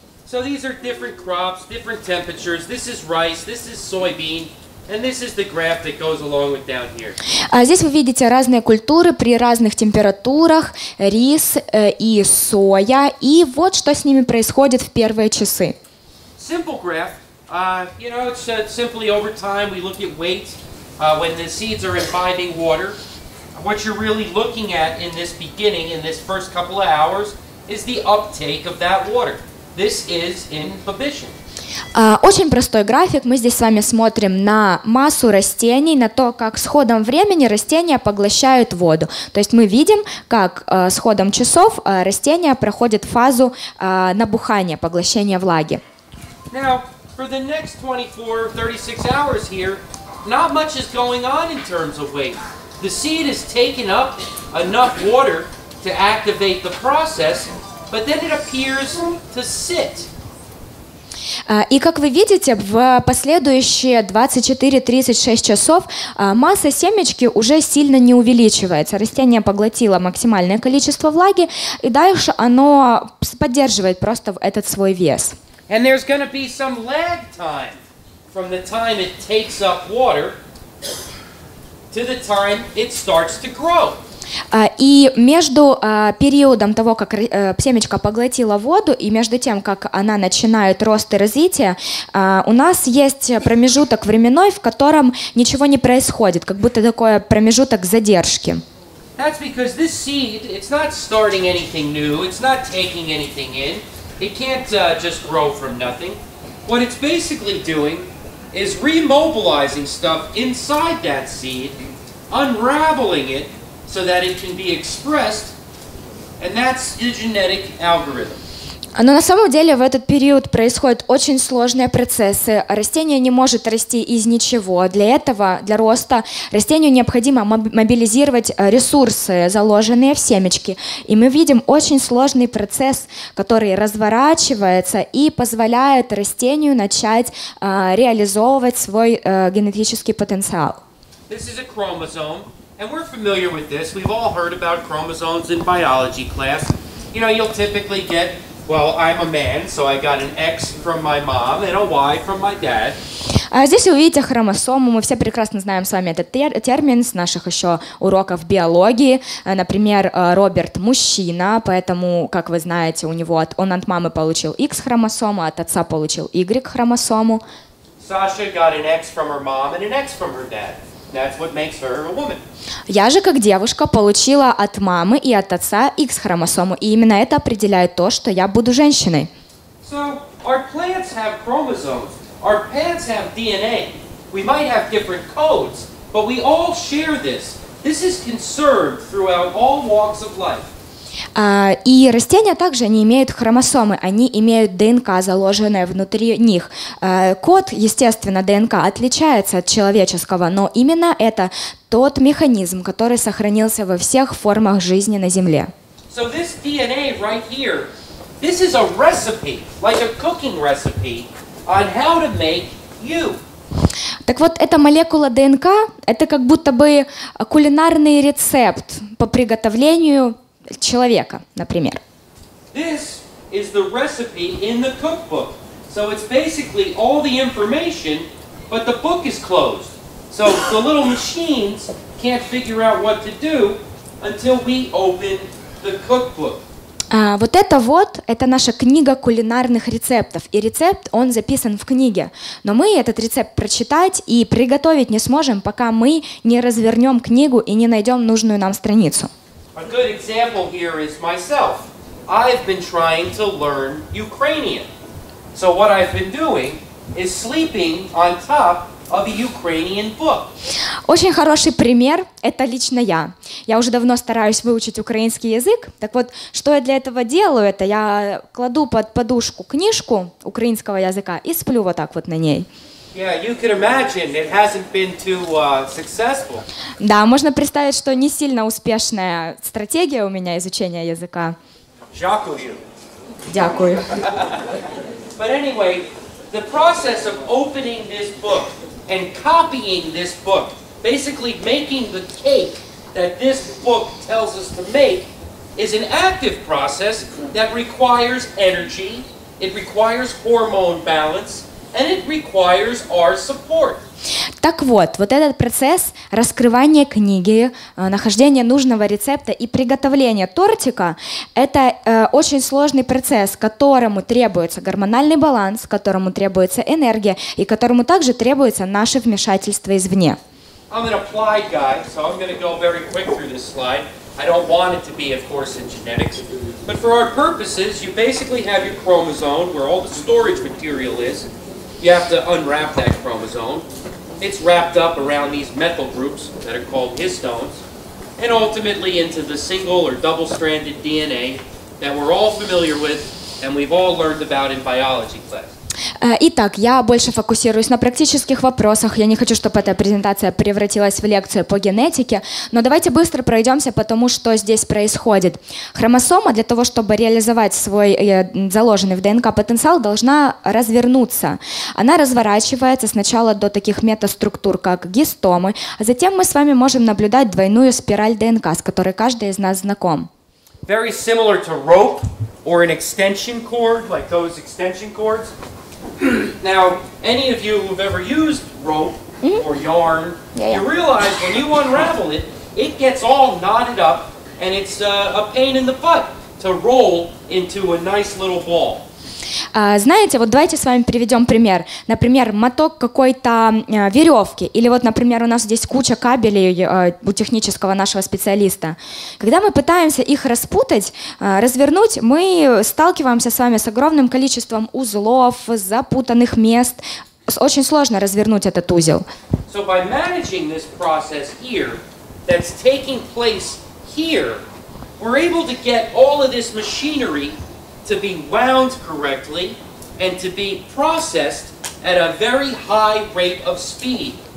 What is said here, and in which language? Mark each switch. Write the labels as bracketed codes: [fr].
[en] So these are different crops, different temperatures. This is rice, this is soybean. And this is the graph that goes along with down here. [ru] Здесь вы видите разные культуры при разных температурах, рис и соя, и вот что с ними происходит в первые часы. [en] Simple graph. You know, it's simply over time we look at weight when the seeds are imbibing water. What you're really looking at in this beginning, in this first couple of hours, is the uptake of that water. This is imbibition. [ru] Очень простой график. Мы здесь с вами смотрим на массу растений, на то, как с ходом времени растения поглощают воду. То есть мы видим, как с ходом часов растения проходит фазу набухания, поглощения влаги. [en] Now, for the next 24-36 hours here, not much is going on in terms of weight. The seed has taken up enough water to activate the process, but then it appears to sit. [ru] И как вы видите, в последующие 24-36 часов масса семечки уже сильно не увеличивается. Растение поглотило максимальное количество влаги, и дальше оно поддерживает просто этот свой вес. [en] And there's going to be some lag time from the time it takes up water to the time it starts to grow. [ru] И между периодом того, как семечко поглотило воду, и между тем, как она начинает рост и развитие, у нас есть промежуток временной, в котором ничего не происходит, как будто такой промежуток задержки. [en] That's because this seed, it's not starting anything new, it's not taking anything in, it can't just grow from nothing. What it's basically doing is remobilizing stuff inside that seed, unraveling it, so that it can be expressed, and that's the genetic algorithm. [ru] Но на самом деле в этот период происходят очень сложные процессы. Растение не может расти из ничего. Для этого, для роста, растению необходимо мобилизировать ресурсы, заложенные в семечке. И мы видим очень сложный процесс, который разворачивается и позволяет растению начать реализовывать свой генетический потенциал. [en] This is a chromosome. And we're familiar with this. We've all heard about chromosomes in biology class. You know, you'll typically get Well, I'm a man, so I got an X from my mom and a Y from my dad. [ru] Здесь вы видите хромосому. Мы все прекрасно знаем с вами этот термин с наших еще уроков биологии. Например, Роберт мужчина, поэтому, как вы знаете, у него он от мамы получил X-хромосому, от отца получил Y-хромосому. [en] Саша got an X from her mom and an X from her dad. That's what makes her a woman. [ru] Я же, как девушка, получила от мамы и от отца X-хромосому, и именно это определяет то, что я буду женщиной. [en] So, our plants have chromosomes. Our pants have DNA. We might have different codes, but we all share this. This is conserved throughout all walks of life. [ru] И растения также, они имеют хромосомы, они имеют ДНК, заложенное внутри них. Код, естественно, ДНК отличается от человеческого, но именно это тот механизм, который сохранился во всех формах жизни на Земле. [en] So this DNA right here, this is a recipe, like a cooking recipe, on how to make you. [ru] Так вот, эта молекула ДНК, это как будто бы кулинарный рецепт по приготовлению человека, например. [en] This is the recipe in the cookbook. So it's basically all the information, but the book is closed. So the little machines can't figure out what to do until we open the cookbook. [ru] Вот это вот, это наша книга кулинарных рецептов. И рецепт, он записан в книге. Но мы этот рецепт прочитать и приготовить не сможем, пока мы не развернем книгу и не найдем нужную нам страницу. [en] A good example here is myself. I've been trying to learn Ukrainian. So what I've been doing is sleeping on top of a Ukrainian book. [ru] Очень хороший пример – это лично я. Я уже давно стараюсь выучить украинский язык. Так вот, что я для этого делаю? Это я кладу под подушку книжку украинского языка и сплю вот так вот на ней. [en] Yeah, you can imagine it hasn't been too successful. [ru] Да, можно представить, что не сильно успешная стратегия у меня изучения языка. [uk] Дякую. Дякую. [en] But anyway, the process of opening this book and copying this book, basically making the cake that this book tells us to make, is an active process that requires energy, it requires hormone balance, and it requires our support. [ru] Так вот, вот этот процесс раскрывания книги, нахождения нужного рецепта и приготовления тортика – это очень сложный процесс, которому требуется гормональный баланс, которому требуется энергия и которому также требуется наше вмешательство извне. [en] I'm an applied guy, so I'm going to go very quick through this slide. I don't want it to be, of course, in genetics. But for our purposes, you basically have your chromosome, where all the storage material is. You have to unwrap that chromosome. It's wrapped up around these methyl groups that are called histones, and ultimately into the single or double-stranded DNA that we're all familiar with and we've all learned about in biology class. [ru] Итак, я больше фокусируюсь на практических вопросах. Я не хочу, чтобы эта презентация превратилась в лекцию по генетике. Но давайте быстро пройдемся по тому, что здесь происходит. Хромосома для того, чтобы реализовать свой заложенный в ДНК потенциал, должна развернуться. Она разворачивается сначала до таких метаструктур, как гистомы. А затем мы с вами можем наблюдать двойную спираль ДНК, с которой каждый из нас знаком. [en] Very similar to rope or an extension cord, like those extension cords. Now, any of you who've ever used rope or yarn, you realize when you unravel it, it gets all knotted up, and it's a pain in the butt to roll into a nice little ball. [ru] Знаете, вот давайте с вами приведем пример. Например, моток какой-то веревки. Или вот, например, у нас здесь куча кабелей у технического нашего специалиста. Когда мы пытаемся их распутать, развернуть, мы сталкиваемся с вами с огромным количеством узлов, запутанных мест. Очень сложно развернуть этот узел. [en] So by managing this process here, that's taking place here, we're able to get all of this machinery to be wound correctly and to be processed at a very high rate of speed.